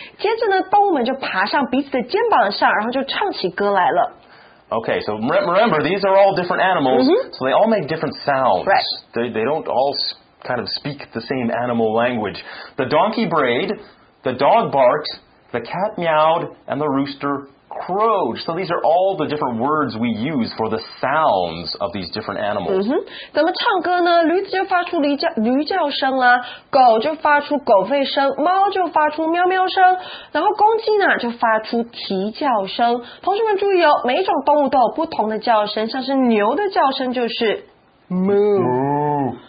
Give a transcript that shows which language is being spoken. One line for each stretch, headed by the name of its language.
Chinese: 接着呢，动物们就爬上彼此的肩膀上，然后就唱起歌来了。
English: Okay, so remember, these are all different animals, so they all make different sounds. Right. They don't all kind of speak the same animal language. The donkey brayed, the dog barked, the cat meowed, and the rooster crowed. So these are all the different words we use for the sounds of these different animals.
Chinese: 怎么唱歌呢？驴子就发出驴叫声啦，狗就发出狗吠声，猫就发出喵喵声，然后公鸡呢就发出啼叫声。同学们注意哦，每一种动物都有不同的叫声，像是牛的叫声就是
English: moo.